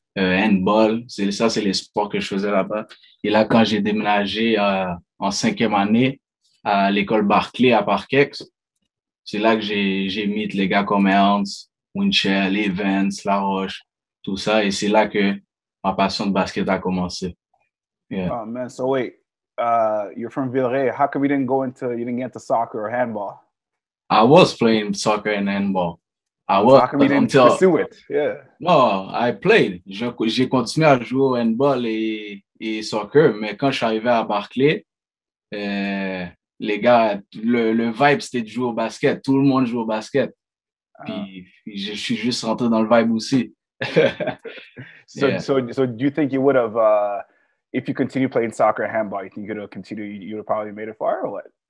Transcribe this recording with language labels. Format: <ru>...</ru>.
<fr>Handball, c'est les sports que je faisais là-bas. Et là, quand j'ai déménagé en cinquième année à l'école Barclay à Parkex, c'est là que j'ai mis les gars comme Ernst, Winchell, Evans, La Roche, tout ça. Et c'est là que ma passion de basket a commencé.</fr> <en>Yeah. Oh man, so wait, you're from Villeray. How come you didn't get into soccer or handball? I was playing soccer and handball. I played.</en> <fr>J'ai continué à jouer au handball et soccer, mais quand je suis arrivé à Barclay, les gars, le vibe, c'était de jouer au basket. Tout le monde joue au basket. Puis je suis juste rentré dans le vibe aussi.</fr> <en>So do you think you would have, if you continue playing soccer, handball, you think you'd have continued, you would have probably made it far or what?</en>